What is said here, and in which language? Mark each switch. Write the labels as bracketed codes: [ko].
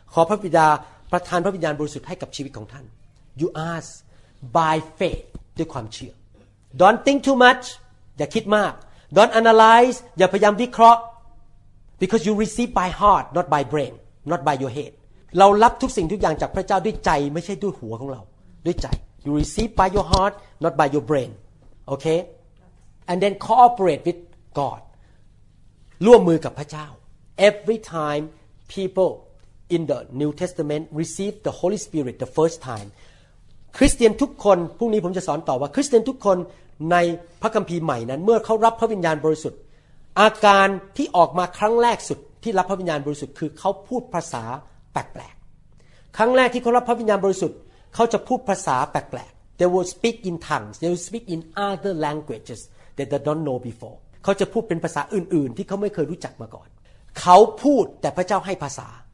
[th] ขอพระบิดาประทานพระวิญญาณบริสุทธิ์ให้กับชีวิตของท่าน [en] You ask by faith, [th] ด้วยความเชื่อ [en] Don't think too much, [th] อย่าคิดมาก [en] Don't analyze, [th] อย่าพยายามวิเคราะห์ [en] Because you receive by heart, not by brain, not by your head. [th] เรารับทุกสิ่งทุกอย่างจากพระเจ้าด้วยใจไม่ใช่ด้วยหัวของเราด้วยใจ [en] You receive by your heart, not by your brain. Okay? And then cooperate with God. [th] ร่วมมือกับพระเจ้า [en] Every time people in the New Testament receive the Holy Spirit the first time, [th] Christian ทุกคนพรุ่งนี้ผมจะสอนต่อว่า Christian ทุกคนในพระคัมภีร์ใหม่นั้นเมื่อเขารับพระวิญญาณบริสุทธิ์ อาการที่ออกมาครั้งแรกสุดที่รับพระวิญญาณบริสุทธิ์คือเขาพูดภาษาแปลกๆครั้งแรกที่เขารับพระวิญญาณบริสุทธิ์เขาจะพูดภาษาแปลกๆ [en] They will speak in tongues They will speak in other languages that they don't know before [th] เขาจะพูดเป็นภาษาอื่นๆที่เขาไม่เคยรู้จักมาก่อนเขาพูดแต่พระเจ้าให้ภาษา